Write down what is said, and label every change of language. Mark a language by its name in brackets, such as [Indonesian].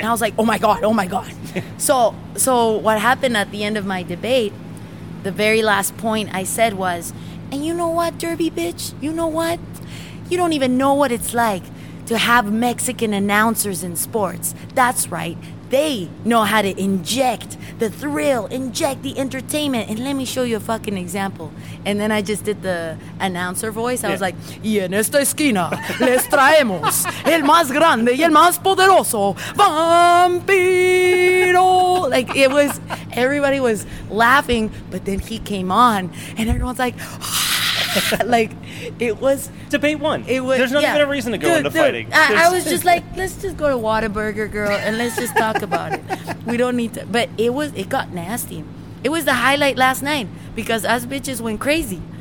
[English] And I was like, oh, my God, oh, my God. So what happened at the end of my debate, the very last point I said was, and you know what, Derby bitch? You know what? You don't even know what it's like to have Mexican announcers in sports. That's right. They know how to inject the thrill, inject the entertainment. And let me show you a fucking example. And then I just did the announcer voice. I was like, [Spanish] y en esta esquina les traemos el más grande y el más poderoso, Vampiro. [English] Like, it was, everybody was laughing, but then he came on and everyone's like, like, it was... Debate one. It was, there's not even a reason to go into fighting. I was just like, let's just go to Whataburger, girl, and let's just talk about it. We don't need to... But it got nasty. It was the highlight last night because us bitches went crazy.